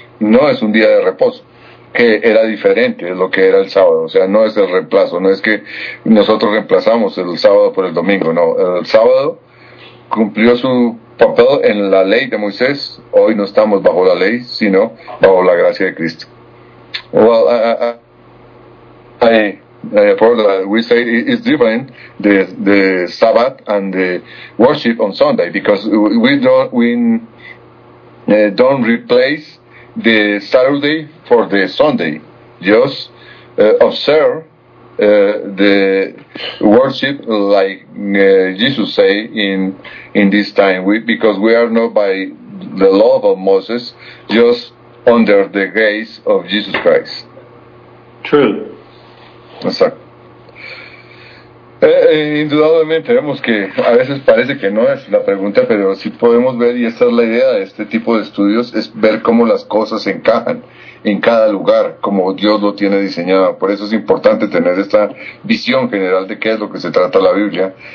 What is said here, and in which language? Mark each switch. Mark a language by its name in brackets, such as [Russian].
[Spanish] No es un día de reposo. Que era diferente de lo que era el sábado. O sea, no es el reemplazo. No es que nosotros reemplazamos el sábado por el domingo. No, el sábado cumplió su papel en la ley de Moisés. Hoy no estamos bajo la ley, sino bajo la gracia de Cristo. [English] Well, I heard that we say it's different the Sabbath and the worship on Sunday, because we don't replace the Saturday for the Sunday. Just observe the worship like Jesus say in this time, because we are not by the law of Moses, just under the grace of Jesus Christ. True. [Spanish] Exacto. Indudablemente vemos que a veces parece que no es la pregunta, pero sí podemos ver, y esta es la idea de este tipo de estudios, es ver cómo las cosas encajan en cada lugar, como Dios lo tiene diseñado. Por eso es importante tener esta visión general de qué es lo que se trata la Biblia.